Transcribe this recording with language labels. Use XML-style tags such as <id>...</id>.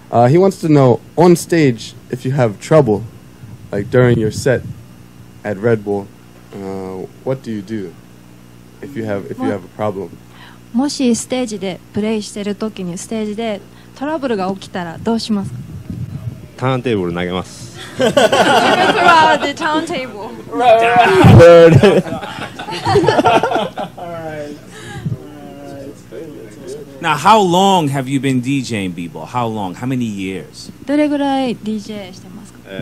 <en>He wants to know, on stage, if you have trouble... Like during your set at Red Bull, what do you do if you have a problem?</en> <ja>もしステージでプレイしてる時にステージでトラブルが起きたらどうしますか？ターンテーブル投げます。</ja> <en>Throw the turntable. Right. All right. All right. Now, how long have you been DJing, B-ball? How long? How many years?</en> <ja>どれぐらい DJ してますか？</ja>